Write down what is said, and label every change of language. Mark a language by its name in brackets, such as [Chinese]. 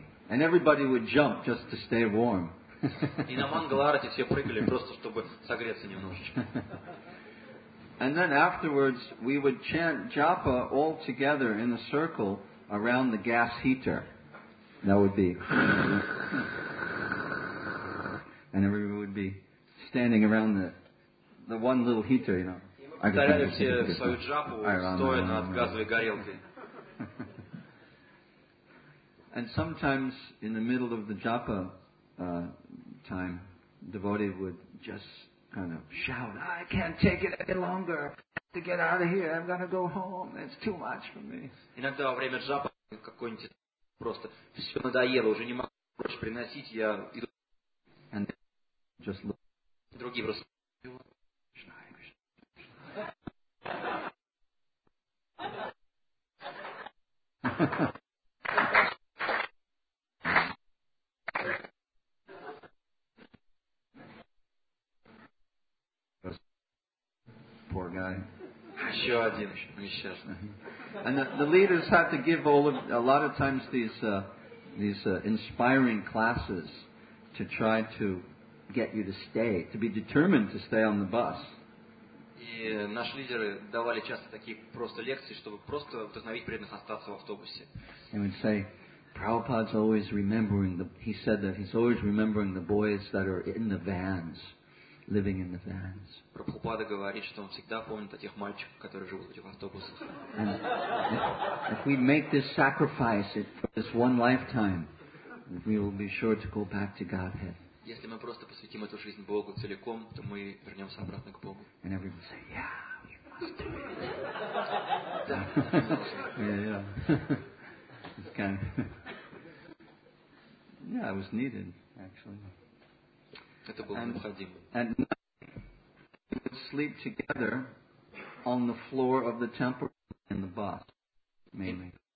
[English] And everybody would jump just to stay warm. [Russian] И на Мангаларте все прыгали просто чтобы согреться немножечко. [English] And then afterwards, we would chant japa all together in a circle around the gas heater. That would be... And everybody would be standing around the one little heater, you know. [Russian] Повторяли все свою джапу, стоя над газовой горелкой. [English] And sometimes in the middle of the japa time, devotee would just kind of shout, I can't take it any longer. I have to get out of here. I'm going to go home. It's too much for me. [Russian] Иногда во время джапа какой-нибудь просто все надоело, уже не могу больше приносить, я иду. [English] And just look. [Russian] Другие просто. [English] Poor guy. [Russian] Еще один, несчастный. [English] And the leaders have to give all of a lot of times these inspiring classes to try to get you to stay, to be determined to stay on the bus. [Russian] И наши лидеры давали часто такие просто лекции, чтобы просто вдохновить преданных остаться в автобусе. [English] And we'd say, Prabhupada's always remembering the. He said that he's always remembering the boys that are in the vans. Living in the vans. [Russian] Прабхупада говорит, что он всегда помнит о тех мальчиках, которые живут в этих автобусах. [English] And if we make this sacrifice for this one lifetime, we will be sure to go back to Godhead. [Russian] Если мы просто посвятим эту жизнь Богу целиком, то мы вернемся обратно к Богу. [English] And everyone say, yeah, we must do it. Yeah. It's kind of... Yeah, it was needed, actually. And we would sleep together on the floor of the temple in the bus, mainly.